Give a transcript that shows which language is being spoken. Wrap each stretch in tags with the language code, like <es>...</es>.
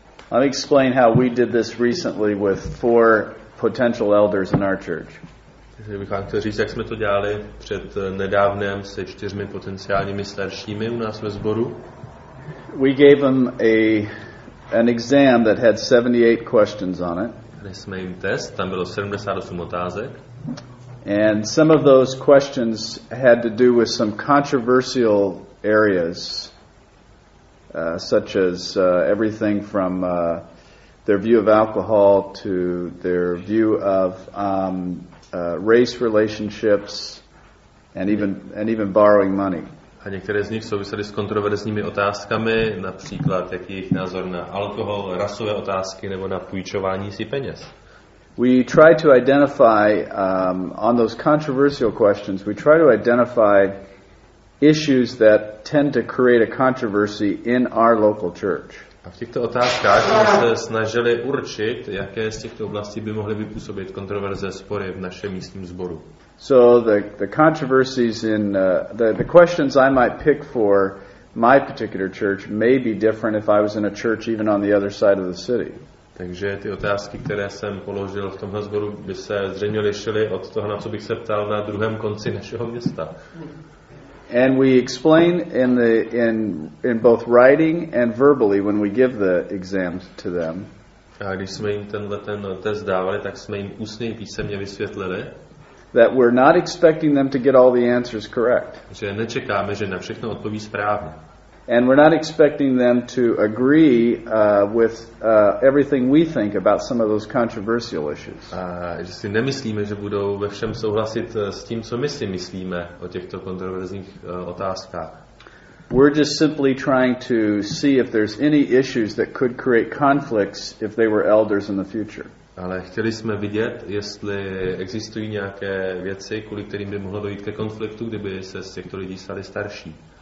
<en>Let me explain how we did this recently with four potential elders in our church.</en> <cs>Bych vám chtěl říct, jak jsme to dělali před nedávnem se čtyřmi potenciálními staršími u nás ve sboru.</cs> <en>We gave them an exam that had 78 questions on it.</en> <cs>Dali jsme jim test, tam bylo 78 otázek.</cs> <en>And some of those questions had to do with some controversial areas. Such as everything from their view of alcohol to their view of race relationships and even borrowing money.</en> <cs>A některé z nich souvisely s kontroverzními otázkami, například jaký jejich názor na alkohol, rasové otázky nebo na půjčování si peněz.</cs> <en>We try to identify on those controversial questions, we try to identify issues that tend to create a controversy in our local church.</en> <cs>A v těchto otázkách jsme se snažili určit, jaké z těchto oblastí by mohly vypůsobit kontroverze, spory v našem místním sboru.</cs> <en>So the controversies in the questions I might pick for my particular church may be different if I was in a church even on the other side of the city.</en> <cs>Takže ty otázky, které jsem položil v tomhle sboru, by se zřejmě lišily od toho, na co bych se ptal na druhém konci našeho města.</cs> <en>And we explain in both writing and verbally when we give the exams to them.</en> <cs>A když jsme jim ten test dávali, tak jsme jim ústně i písemně vysvětlili,</cs> <en>that we're not expecting them to get all the answers correct.</en> <cs>Že nečekáme, že na všechno odpoví správně.</cs> <en>And we're not expecting them to agree with everything we think about some of those controversial issues.</en> <cs>A že si nemyslíme, že budou ve všem souhlasit s tím, co my si myslíme o těchto kontroverzních otázkách.</cs> <en>We're just simply trying to see if there's any issues that could create conflicts if they were elders in the future.</en> <cs>Ale chtěli jsme vidět, jestli existují nějaké věci, kvůli kterým by mohlo dojít ke konfliktu, kdyby se z těchto lidí stali starší.</cs>